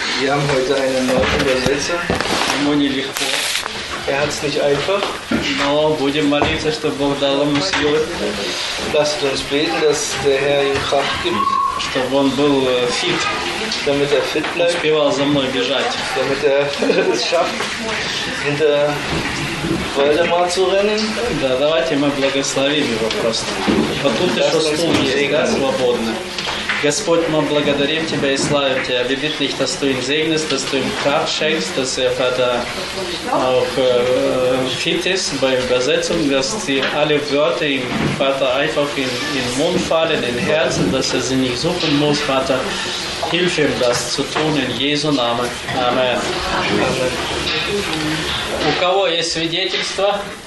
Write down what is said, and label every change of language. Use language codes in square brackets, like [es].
[de] Wir haben heute einen neuen Übersetzer. [ru] Ему не легко. [de] Er hat es nicht einfach. [ru] Но будем молиться, чтобы Бог дал ему силы. [de] Lasst uns beten, dass der Herr ihm Kraft gibt. [ru] Чтобы он был fit. [de] Damit er fit bleibt. [ru] Успевал за мной бежать. [de] Damit er es schafft, hinter Waldemar zu rennen. [ru] Да, давайте мы благословим его просто. Вот тут еще стул есть, свободно. Господь, мы благодарим Тебя и славим Тебя. [de] Wir bitten dich, dass du ihm segnest, dass du ihm Kraft schenkst, dass er, Vater, auch fit ist bei Übersetzung, dass die alle Wörter ihm, Vater, einfach in den Mund fallen, in den Herzen, dass er sie nicht suchen muss. Vater, hilf ihm, das zu tun, in Jesu Namen. Amen. [ru] У кого есть свидетельство?